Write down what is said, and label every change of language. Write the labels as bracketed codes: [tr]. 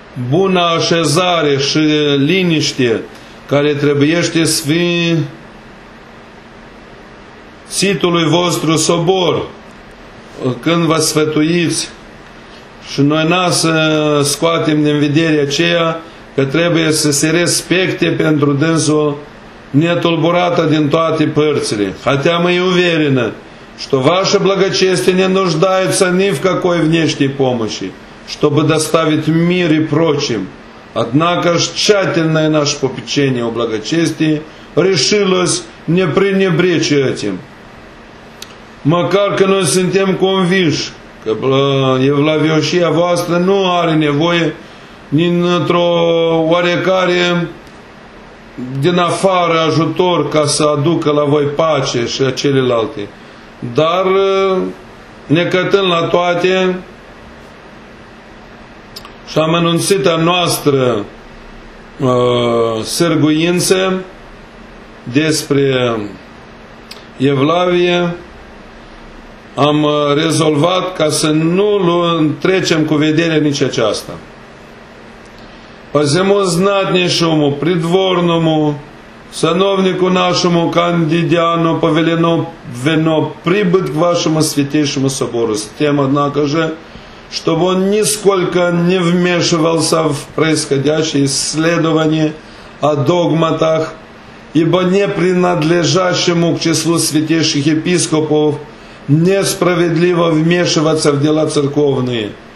[ro] bună așezare și liniște care trebuiește sfințitului vostru sobor când vă sfătuiți și noi n-a să scoatem din vedere aceea că trebuie să se respecte pentru dânsul netulburată din toate părțile. [ru] Хотя мы уверены, что ваше благочестие не нуждается ни в какой внешней помощи, чтобы доставить мир и прочим. Однако ж тщательное наше попечение о благочестии решилось не пренебречь этим. [ro] Макар că noi suntem convinși că evlavioșia voastră nu are nevoie dintr-o oarecare din afară ajutor ca să aducă la voi pace și celelalte. Dar necătând la toate și am anunțit a noastră sârguință despre evlavie, am rezolvat ca să nu trecem cu vedere nici aceasta. [ru] Посему знатнейшему придворному Сановнику нашому Кандидіану повелено вино прибыть к вашому святейшому собору, с тем, однако же, чтобы он нисколько не вмешивался в происходящее исследование о догматах, ибо не принадлежащему к числу святейших епископов несправедливо вмешиваться в дела церковные.